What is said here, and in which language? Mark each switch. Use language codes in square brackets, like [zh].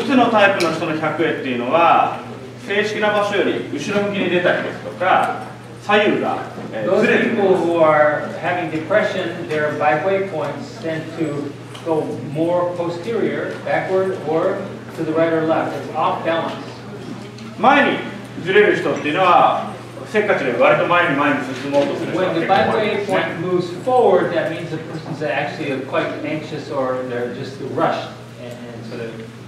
[ja] タイプの人の百会っていうのは正式な場所より後ろ向きに出たりですとか左右がずれている。 [en] Those people who are having depression, their bifurcate points tend to go more posterior, backward or to the right or left. It's off balance. [ja] 前にずれる人っていうのはせっかちで割と前に前に進もうとする人って。 [en] When the bifurcate point moves forward, that means the person's actually quite anxious or they're just rushed and sort of.